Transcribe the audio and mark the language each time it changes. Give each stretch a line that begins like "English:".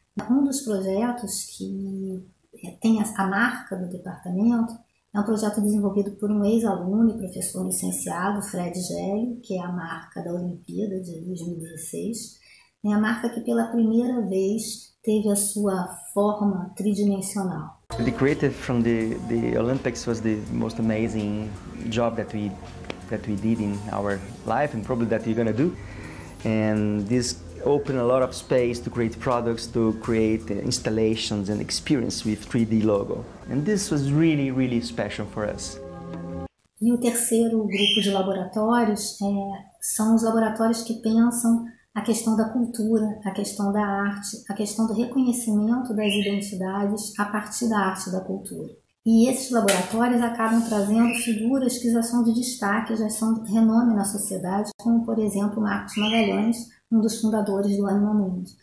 Portuguese: Um dos projetos que tem a marca do departamento é um projeto desenvolvido por um ex-aluno e professor licenciado, Fred Gelli, que é a marca da Olimpíada de 2016. É a marca que pela primeira vez teve a sua forma tridimensional.
English: The creative from the Olympics was the most amazing job that we did in our life and probably that you're gonna do. And this opened a lot of space to create products, to create installations and experience with 3D logo. And this was really, really special for us.
Portuguese: E o terceiro grupo de laboratórios são os laboratórios que pensam a questão da cultura, a questão da arte, a questão do reconhecimento das identidades a partir da arte e da cultura. E esses laboratórios acabam trazendo figuras que já são de destaque, já são de renome na sociedade, como, por exemplo, Marcos Magalhães, um dos fundadores do Animal Mundo.